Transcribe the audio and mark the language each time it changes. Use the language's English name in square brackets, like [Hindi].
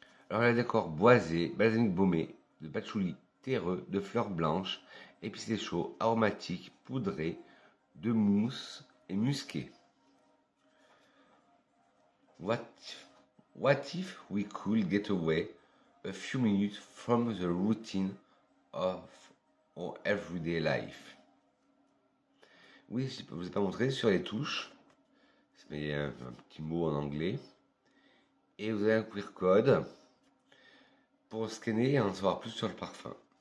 [French] Alors là, d'accord, boisé, balsamique baumé. De patchouli terreux, de fleurs blanches, épicé chaud, aromatique, poudré, de mousse et musqué. [English] What if we could get away a few minutes from the routine of our everyday life? [French] Oui, je ne vous ai pas montré sur les touches, c'est un petit mot en anglais, et vous avez un QR code. Pour scanner et en savoir plus sur le parfum.